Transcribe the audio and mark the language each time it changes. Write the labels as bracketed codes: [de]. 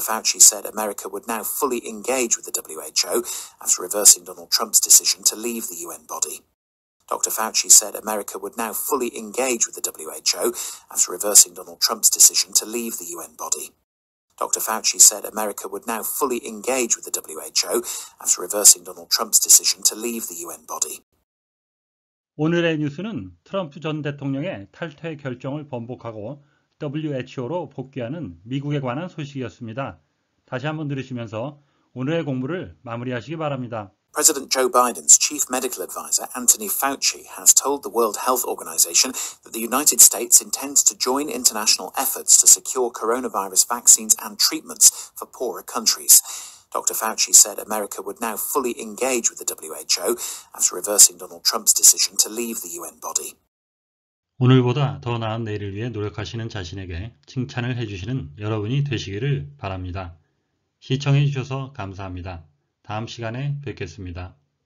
[en] Fauci said America would now fully engage with the WHO after reversing Donald Trump's decision to leave the UN body. Dr. Fauci said America would now fully engage with the WHO after reversing Donald Trump's decision to leave the UN body. Dr. Fauci said America would now fully engage with the WHO after reversing Donald Trump's decision to leave the UN body. [ko] 오늘의 뉴스는 트럼프 전 대통령의 탈퇴 결정을 번복하고 WHO로 복귀하는 미국에 관한 소식이었습니다. 다시 한번 들으시면서 오늘의 공부를 마무리하시기 바랍니다. [en] President Joe Biden's chief medical advisor, Anthony Fauci, has told the World Health Organization that the United States intends to join international efforts to secure coronavirus vaccines and treatments for poorer countries. Dr. Fauci said America would now fully engage with the WHO after reversing Donald Trump's decision to leave the UN body. [ko] 오늘보다 더 나은 내일을 위해 노력하시는 자신에게 칭찬을 해주시는 여러분이 되시기를 바랍니다. 시청해 주셔서 감사합니다. 다음 시간에 뵙겠습니다.